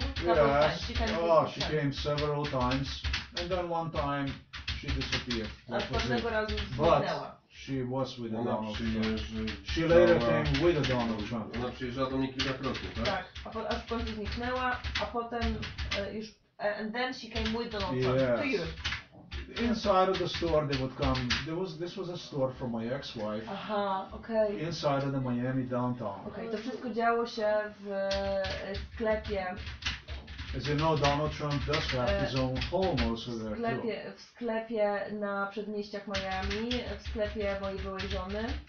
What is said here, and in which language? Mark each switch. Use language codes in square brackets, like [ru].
[en] Yes. She came several times. And then one time she disappeared. [pl] Aż pewnego razu zniknęła. [en] But she was with Donald Trump. She later came with Donald Trump. [pl] Ona przyjeżdżała do mnie kilkakrotnie, tak? Tak, aż w końcu zniknęła, a potem już... [en] And then she came with the long pants to you. Inside of the store, they would come. There was this was a store for my ex-wife. Aha, okay. Inside of the Miami downtown. [pl] Okay, to wszystko działo się w sklepie. [en] As you know, Donald Trump does have his own home also there too. [pl] W sklepie na przedmieściach Miami, w sklepie mojej byłej żony.